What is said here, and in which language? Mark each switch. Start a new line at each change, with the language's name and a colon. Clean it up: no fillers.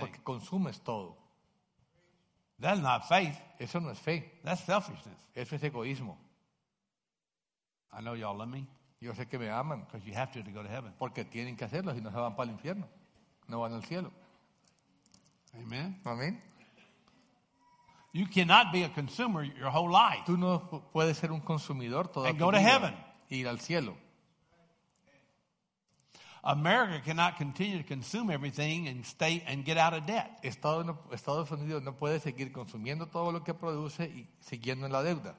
Spanish: Porque consumes todo.
English: That's not faith.
Spanish: Eso no es fe.
English: That's selfishness.
Spanish: Eso es egoísmo.
English: I know y'all love me.
Spanish: Yo sé que me aman.
English: Because you have to go to heaven.
Spanish: Porque tienen que hacerlo, si no se van para el infierno. No van al cielo.
English: Amen.
Spanish: Amén.
English: You cannot be a consumer your whole life.
Spanish: Tú no puedes ser un consumidor toda tu vida.
English: And go to heaven.
Spanish: Y ir al cielo.
English: America cannot continue to consume everything and stay and get out of debt.
Spanish: Estados Unidos no puede seguir consumiendo todo lo que produce y siguiendo en la deuda.